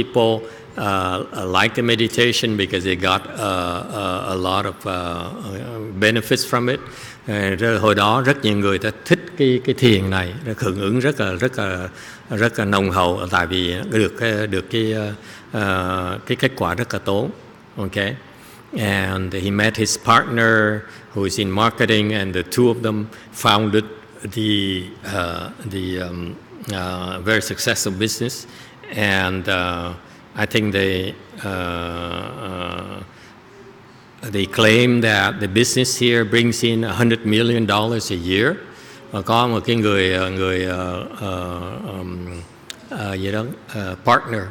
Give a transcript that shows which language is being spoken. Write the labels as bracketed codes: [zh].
[en] At that time, a lot of people liked the meditation because they got a lot of benefits from it. [vi] Hồi đó rất nhiều người ta thích cái thiền này, hưởng ứng rất là nồng hậu, tại vì được cái kết quả rất là tốt. [en] Okay. And he met his partner who is in marketing, and the two of them founded the very successful business. And I think they claim that the business here brings in $100 million a year. [vi] Có một cái người partner.